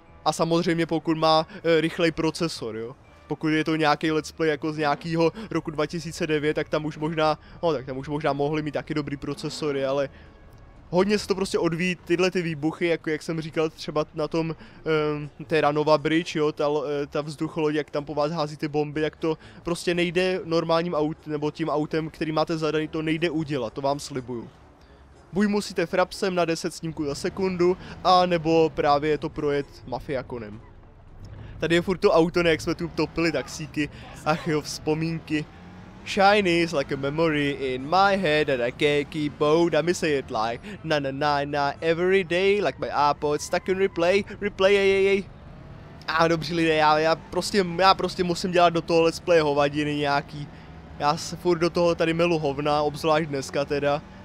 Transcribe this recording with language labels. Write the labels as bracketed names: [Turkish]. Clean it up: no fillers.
[Czech] A samozřejmě pokud má rychlej procesor, jo. Pokud je to nějaký let's play jako z nějakého roku 2009, tak tam už možná, no tak tam už možná mohli mít taky dobrý procesory, ale hodně se to prostě odvíjí tyhle ty výbuchy, jako jak jsem říkal třeba na tom Terranova Bridge, jo, ta vzducholoď, jak tam po vás hází ty bomby, jak to prostě nejde normálním autem, nebo tím autem, který máte zadaný, to nejde udělat, to vám slibuju. Buď musíte frapsem na 10 snímků za sekundu, a nebo právě to projet Mafiakonem. Tady je furt to auto, ne, jak jsme tu topili taxíky, ach jo, vzpomínky. [English] Shiny is like a memory in my head and I can't keep out, I miss it like na na na na every day, like my iPod stuck in replay, replay yay yay yay. [Czech] A dobří lidé, já prostě musím dělat do toho let's play hovadiny nějaký. Já se furt do toho tady melu hovna, obzvlášť dneska teda.